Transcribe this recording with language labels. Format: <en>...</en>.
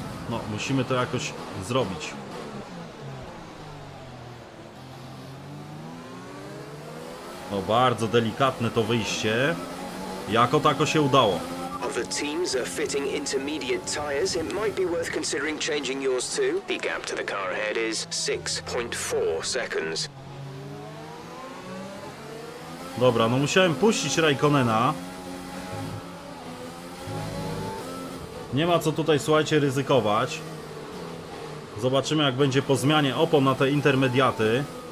<pl>No, musimy to jakoś zrobić. No, bardzo delikatne to wyjście. Jako tako się udało.</pl> <en>The teams are fitting intermediate tires. It might be worth considering changing yours too. The gap to the car ahead is 6.4 seconds.</en> <pl>Dobra, no musiałem puścić Raikkonena. Nie ma co tutaj, słuchajcie, ryzykować. Zobaczymy, jak będzie po zmianie opon na te intermediaty.</pl>